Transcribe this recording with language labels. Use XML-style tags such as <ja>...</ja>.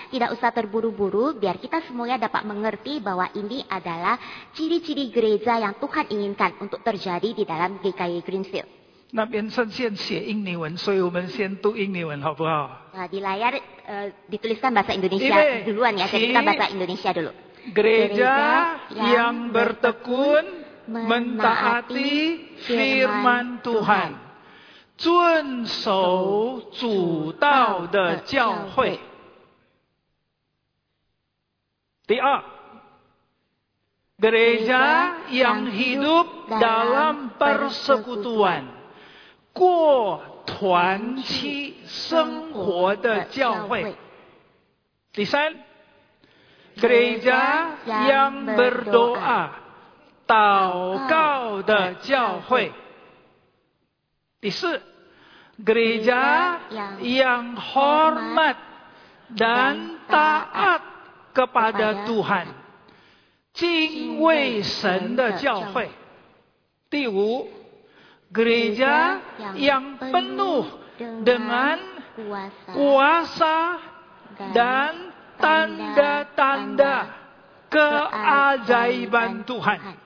<id>Tidak usah terburu-buru, biar kita semuanya dapat mengerti bahwa ini adalah ciri-ciri gereja yang Tuhan inginkan untuk terjadi di dalam GKI Greenfield.</id> <zh>那边先写英文，所以我们先读英文，好不好？</zh> <id>Di layar dituliskan bahasa Indonesia duluan ya, jadi kita bahasa Indonesia dulu. Gereja yang bertekun mentaati firman Tuhan.</id> <zh>遵守主道的教会。</zh> <id>第二， gereja yang hidup dalam persekutuan，</id> <zh>过团契生活的教会。</zh> <id>第三， gereja yang berdoa，</id> <zh>祷告的教会。</zh> <id>第四， gereja yang hormat dan taat kepada Tuhan，</id> <zh>敬畏神的教会。</zh> <id>第五， gereja yang penuh dengan kuasa dan tanda-tanda keajaiban Tuhan。</id>